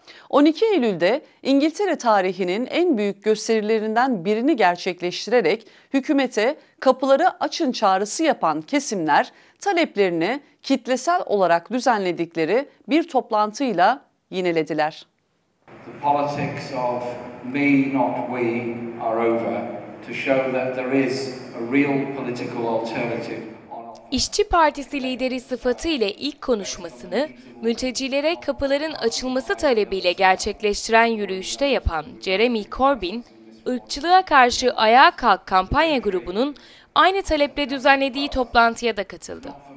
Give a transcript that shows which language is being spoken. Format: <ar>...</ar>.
<tr>12 Eylül'de İngiltere tarihinin en büyük gösterilerinden birini gerçekleştirerek hükümete kapıları açın çağrısı yapan kesimler taleplerini kitlesel olarak düzenledikleri bir toplantıyla yinelediler.</tr> <en>The politics of me not we are over to show that there is a real political alternative.</en> <tr>İşçi Partisi lideri sıfatıyla ilk konuşmasını mültecilere kapıların açılması talebiyle gerçekleştiren yürüyüşte yapan Jeremy Corbyn, ırkçılığa karşı ayağa kalk kampanya grubunun aynı taleple düzenlediği toplantıya da katıldı.</tr>